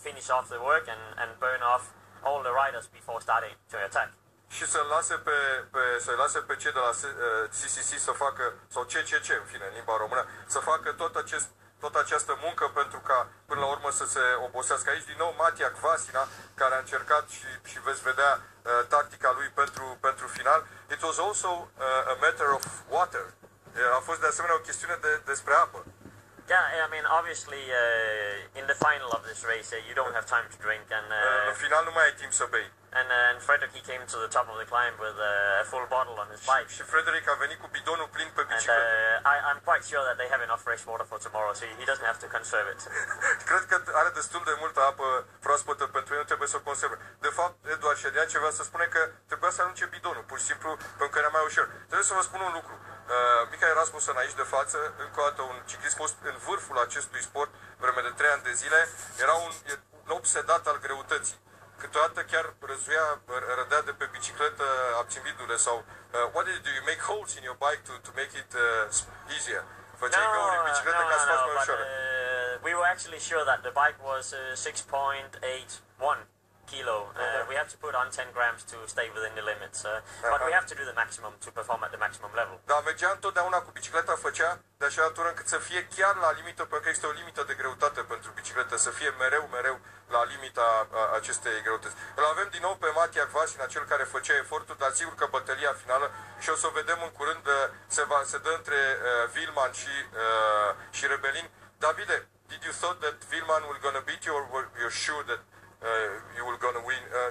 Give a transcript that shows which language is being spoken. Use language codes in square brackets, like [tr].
[en] And burn off all the riders before starting to attack. [ro] Și să lase pe cei de la CCC să facă, sau CCC în fine, în limba română, să facă tot această muncă pentru ca până la urmă să se obosească. Aici din nou Matija Kvasina, care a încercat și veți vedea tactica lui pentru final. [en] It was also a matter of water. [ro] A fost de asemenea o chestiune despre apă. [en] Yeah, I mean, obviously, in the final of this race, you don't have time to drink, and [ro] în final nu mai ai timp să bei. [en] And Frederik, he came to the top of the climb with a full bottle on his bike. [ro] Și Frederik a venit cu bidonul plin pe bicicletă. [en] I'm quite sure that they have enough fresh water for tomorrow, so he doesn't have to conserve it. [ro] Cred că are destul de multă apă proaspătă pentru el, trebuie să o conserve. De fapt, Eduard Ședea ce vrea să spune că trebuia să arunce bidonul, pur și simplu, pentru că era mai ușor. Trebuie să vă spun un lucru. Michael Rasmussen aici de față, încă o dată un ciclist fost în vârful acestui sport vreme de 3 ani de zile, era un obsedat al greutății. Câteodată chiar rădea de pe bicicletă abțimbindu-le sau [en] what did you do? You make holes in your bike to make it easier? [ro] Făceai găuri în bicicletă ca să faci mai ușor. [en] We were actually sure that the bike was 6.81 kilo. We have to put on 10 grams to stay within the limit, but we have to do the maximum to perform at the maximum level. [ro] Da, mergea întotdeauna cu bicicleta, făcea de așa dată încât să fie chiar la limită, pentru că există o limită de greutate pentru bicicletă, să fie mereu la limita acestei greutăți. Îl avem din nou pe Matija Kvasina, cel care făcea efortul, dar sigur că bătălia finală, și o să o vedem în curând, se dă între Wilmann și Rebellin. [en] Davide, did you thought that Wilmann will gonna beat you, or were you sure that you will gonna win?